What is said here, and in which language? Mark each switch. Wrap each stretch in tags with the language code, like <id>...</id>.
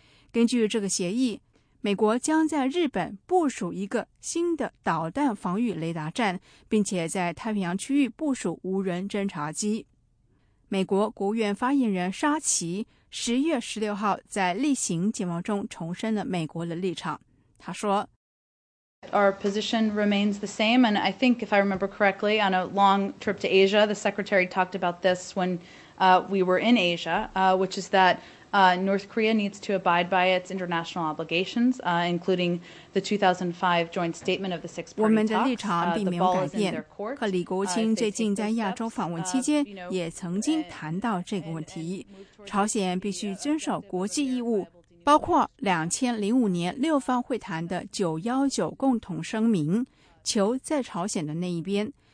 <zh>根据这个协议，美国将在日本部署一个新的导弹防御雷达站，并且在太平洋区域部署无人侦察机。美国国务院发言人沙奇10月16号在例行简报中重申了美国的立场。他说，</zh> <en>Our position remains the same, and I think if I remember correctly, on a long trip to Asia, the Secretary talked about this when we were in Asia, which is that North Korea needs to abide by its international obligations, including the 2005 joint statement of the six-party talks.</en> <zh>我们的立场并没有改变。克里国务卿最近在亚洲访问期间也曾经谈到这个问题。朝鲜必须遵守国际义务，包括2005年六方会谈的919共同声明，球在朝鲜的那一边。</zh>